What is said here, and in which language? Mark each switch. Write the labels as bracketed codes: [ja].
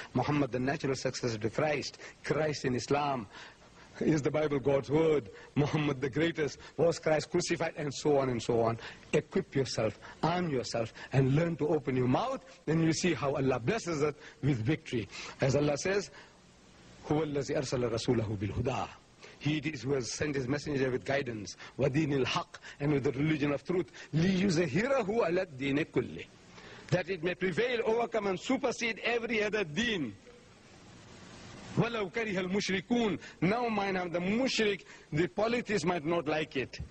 [en] Muhammad, the natural successor to Christ. Christ in Islam. Is the Bible God's word? Muhammad the greatest. Was Christ crucified? And so on and so on. Equip yourself. Arm yourself. And learn to open your mouth. Then you see how Allah blesses us with victory. As Allah says, [ar] هو الذي أرسل رسوله بالهدى. [en] He it is who has sent his messenger with guidance, [ar] وَدِينِ الْحَقِّ, [en] and with the religion of truth. [ar] لِيُزَهِرَهُ عَلَى الدِّينِ كُلِّ, [en] that it may prevail, overcome and supersede every other deen. [ar] وَلَوْ كَرِهَ الْمُشْرِكُونَ. [en] Now mine have the mushrik, the polytheist might not like it.